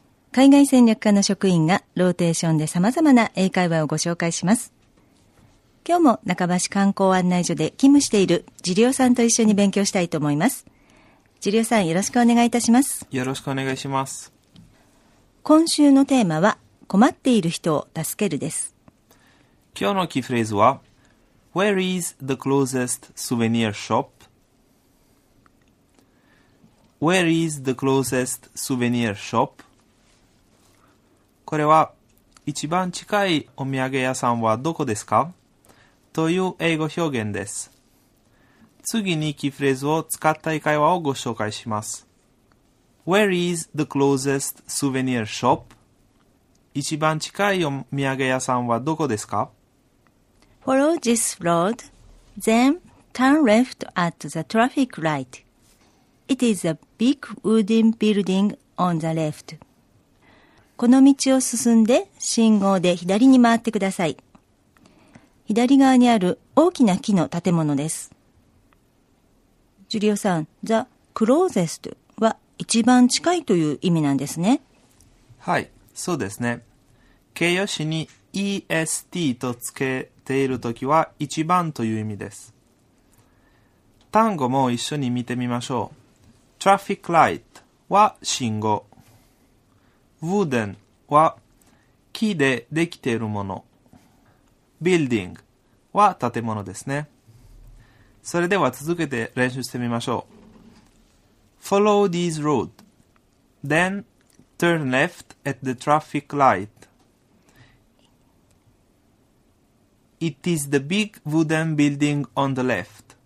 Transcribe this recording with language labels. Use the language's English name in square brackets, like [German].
[Japanese] 海外戦略課の職員がローテーションで様々な英会話をご紹介します。今日も中橋観光案内所で勤務しているジリオさんと一緒に勉強したいと思います。ジリオさん、よろしくお願いいたします。よろしくお願いします。今週のテーマは、困っている人を助けるです。今日のキーフレーズは、 [English] Where is the closest souvenir shop? Where is the closest souvenir shop? [Japanese] これは、一番近いお土産屋さんはどこですか? という英語表現です。次にキーフレーズを使った英会話をご紹介します。 [English] Where is the closest souvenir shop? [Japanese] 一番近いお土産屋さんはどこですか? [English] Follow this road, then turn left at the traffic light. It is a big wooden building on the left. [Japanese] この道を進んで信号で左に回ってください。左側にある大きな木の建物です。ジュリオさん、the closest は一番近いという意味なんですね。はい、そうですね。形容詞に est と付けているときは一番という意味です。単語も一緒に見てみましょう。 traffic light は信号。 wooden は木でできているもの。 building は建物ですね。それでは続けて練習してみましょう。 [English] follow this road. then turn left at the traffic light. It is the big wooden building on the left.